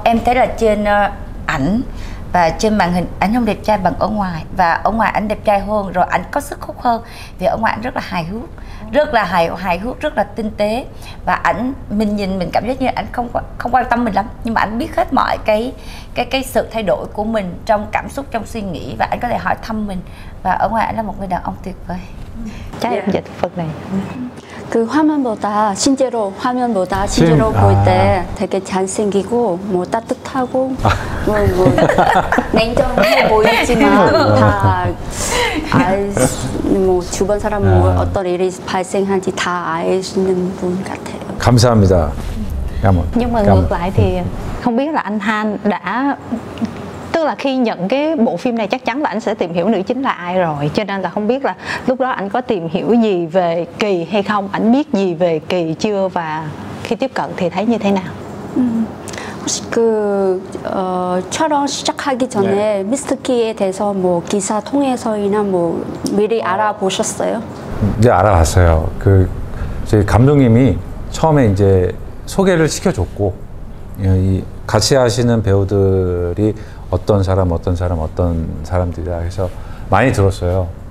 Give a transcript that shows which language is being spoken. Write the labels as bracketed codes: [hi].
[vi] Em thấy là trên ảnh và trên màn hình ảnh không đẹp trai bằng ở ngoài, và ở ngoài ảnh đẹp trai hơn, rồi ảnh có sức hút hơn vì ở ngoài ảnh rất là hài hước, rất là hài hước, rất là tinh tế, và ảnh mình nhìn mình cảm giác như ảnh không quan tâm mình lắm, nhưng mà ảnh biết hết mọi cái sự thay đổi của mình trong cảm xúc, trong suy nghĩ, và ảnh có thể hỏi thăm mình, và ở ngoài ảnh là một người đàn ông tuyệt vời. Trái âm dịch phần này. [ko] 그 화면보다 실제로 화면보다 실제로 보일 때 되게 잘생기고 뭐 따뜻하고 뭐 냉정해 보이지만 다 알 뭐 주변 사람 뭐 어떤 일이 발생한지 다 알 수 있는 분 같아요. 감사합니다. [vi] Nhưng mà ngược lại thì không biết là anh Han đã, tức là khi nhận cái bộ phim này chắc chắn là anh sẽ tìm hiểu nữ chính là ai rồi, cho nên là không biết là lúc đó anh có tìm hiểu gì về Kỳ hay không, anh biết gì về Kỳ chưa, và khi tiếp cận thì thấy như thế nào? [ko] 혹시 그 촬영 시작하기 전에 미스터 키에 대해서 뭐 기사 통해서이나 뭐 미리 알아보셨어요? 이제 알아봤어요. 그 저희 감독님이 처음에 이제 소개를 시켜줬고, 이 같이 하시는 배우들이 어떤 사람들이다 해서 많이 들었어요.